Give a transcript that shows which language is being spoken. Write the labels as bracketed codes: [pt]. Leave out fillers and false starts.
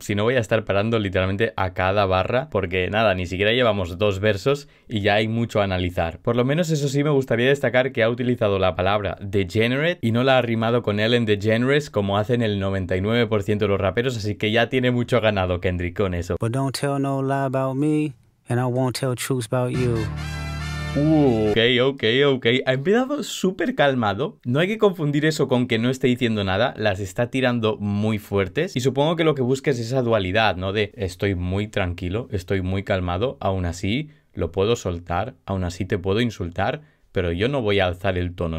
[es] Si no, voy a estar parando literalmente a cada barra porque nada, ni siquiera llevamos dos versos y ya hay mucho a analizar. Por lo menos eso sí, me gustaría destacar que ha utilizado la palabra degenerate y no la ha rimado con Ellen DeGeneres como hacen el 99% de los raperos, así que ya tiene mucho ganado Kendrick con eso. [en] But don't tell no lie about me, and I won't tell truth about you. Ok. [es] Ha empezado súper calmado. No hay que confundir eso con que no esté diciendo nada. Las está tirando muy fuertes. Y supongo que lo que busca es esa dualidad, ¿no? De estoy muy tranquilo, estoy muy calmado. Aún así, lo puedo soltar. Aún así, te puedo insultar. Pero yo no voy a alzar el tono.